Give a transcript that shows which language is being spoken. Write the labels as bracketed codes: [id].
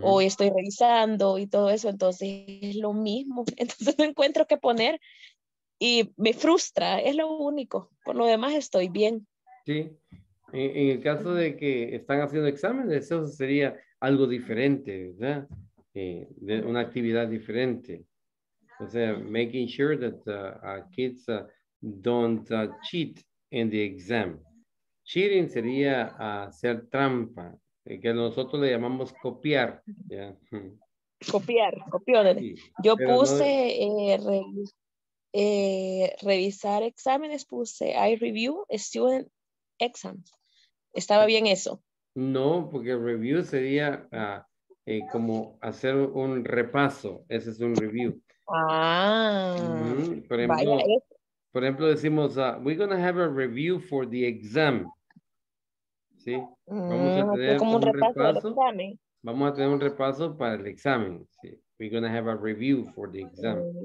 [es] O estoy revisando y todo eso, entonces es lo mismo. Entonces no encuentro qué poner y me frustra, es lo único. Por lo demás estoy bien. Sí, en el caso de que están haciendo exámenes, eso sería... algo diferente, ¿verdad? De una actividad diferente. O sea, [en] making sure that our kids don't cheat in the exam. [es] Cheating sería hacer trampa, que nosotros le llamamos copiar. ¿Ya? Copiar. Sí. Yo pero puse no... revisar exámenes, puse [en] I review student exams. [es] Estaba bien eso. No, porque review sería como hacer un repaso. Ese es un review. Ah. [en] Mm-hmm. [es] Por ejemplo, decimos, [en] we're going to have a review for the exam. [es] ¿Sí? Vamos a tener como un repaso del examen. Vamos a tener un repaso para el examen. Sí. [en] We're going to have a review for the exam.